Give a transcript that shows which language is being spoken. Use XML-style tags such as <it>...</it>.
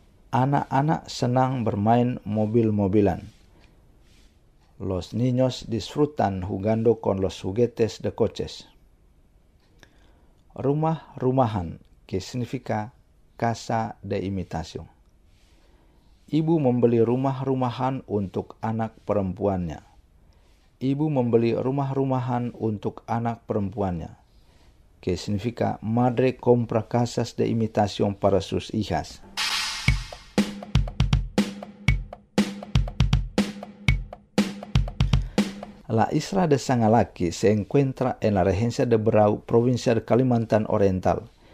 <id>Anak-anak senang bermain móvil-móvilan.</id> <es>Los niños disfrutan jugando con los juguetes de coches. Rumah-rumahan, que significa casa de imitación.</es> <id>Ibu membeli rumah-rumahan untuk anak perempuannya. Ibu membeli rumah-rumahan untuk anak perempuannya.</id> <es>Que significa madre compra casas de imitación para sus hijas. La isla de Sangalaki se encuentra en la regencia de Berau, provincia de Kalimantan Oriental.</es>